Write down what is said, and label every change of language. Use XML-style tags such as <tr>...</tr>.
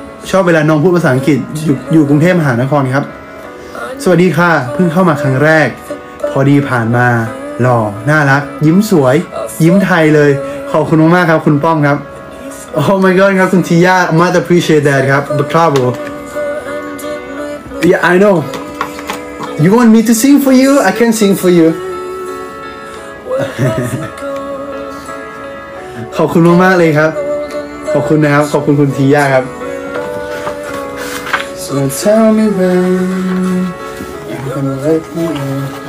<th>ชอบเวลาน้องพูดภาษาอังกฤษอยู่กรุงเทพมหานครครับสวัสดีค่ะเพิ่งเข้ามาครั้งแรกพอดีผ่านมาหล่อน่ารักยิ้มสวยยิ้มไทยเลยขอบคุณมากครับคุณป้องครับ</th> <en>Oh my God</en> <th>ครับคุณทิยา</th> <en>much appreciate that</en> <th>ครับ</th> <en>The trouble Yeah I knowYou want me to sing for you? I can sing for you.</en> <th>ขอบคุณมากๆเลยครับขอบคุณนะครับขอบคุณคุณทีย่าครับ</th> <en>So tell me when I'm gonna let you in.</en>